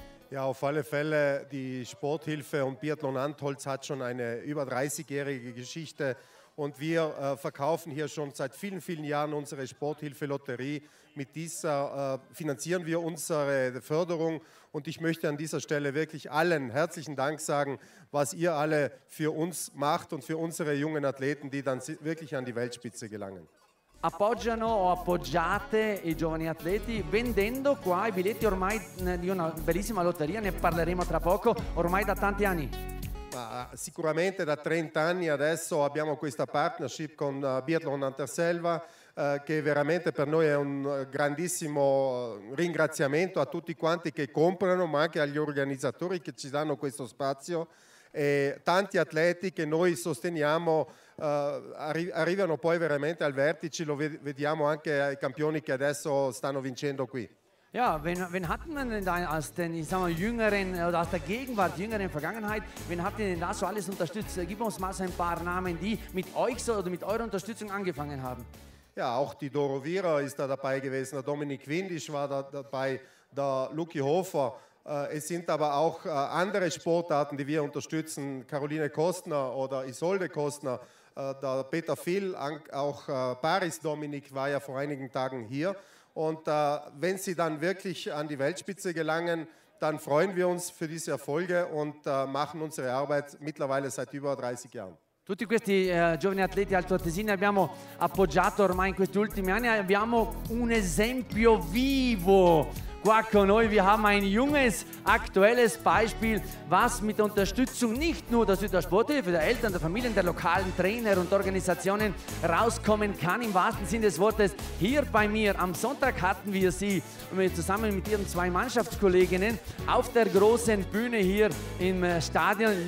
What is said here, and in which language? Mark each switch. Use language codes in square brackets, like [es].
[de] Ja, auf alle Fälle, die Sporthilfe und Biathlon Antholz hat schon eine über 30-jährige Geschichte und wir verkaufen hier schon seit vielen, vielen Jahren unsere Sporthilfe-Lotterie. Mit dieser finanzieren wir unsere Förderung und ich möchte an dieser Stelle wirklich allen herzlichen Dank sagen, was ihr alle für uns macht und für unsere jungen Athleten, die dann wirklich an die Weltspitze gelangen. [it] Appoggiano o appoggiate i giovani atleti vendendo qua i biglietti ormai di una bellissima lotteria, ne parleremo tra poco, ormai da tanti anni. Ma sicuramente da 30 anni adesso abbiamo questa partnership con Biathlon Anterselva che veramente per noi è un grandissimo ringraziamento a tutti quanti che comprano ma anche agli organizzatori che ci danno questo spazio e tanti atleti che noi sosteniamo arrivano poi veramente al vertice, lo vediamo anche ai campioni che adesso stanno vincendo qui. [de] Ja, wen hat man denn da aus den, ich sag mal, jüngeren oder aus der Gegenwart, jüngeren Vergangenheit, wen habt ihr denn da so alles unterstützt? Gib uns mal so ein paar Namen, die mit euch so oder mit eurer Unterstützung angefangen haben. Ja, auch die Doro Vira ist da dabei gewesen, der Dominik Windisch war da dabei, der Luki Hofer. Es sind aber auch andere Sportarten, die wir unterstützen, Caroline Kostner oder Isolde Kostner, der Peter Phil, auch Paris Dominik war ja vor einigen Tagen hier. Und wenn sie dann wirklich an die Weltspitze gelangen, dann freuen wir uns für diese Erfolge und machen unsere Arbeit mittlerweile seit über 30 Jahren. [it] Tutti questi giovani atleti altoatesini abbiamo appoggiato ormai in questi ultimi anni. Abbiamo un esempio vivo qua con noi. [de] Wir haben ein junges, aktuelles Beispiel, was mit der Unterstützung nicht nur der Südtiroler Sporthilfe, der Eltern, der Familien, der lokalen Trainer und Organisationen rauskommen kann, im wahrsten Sinne des Wortes. Hier bei mir am Sonntag hatten wir sie zusammen mit ihren zwei Mannschaftskolleginnen auf der großen Bühne hier im Stadion.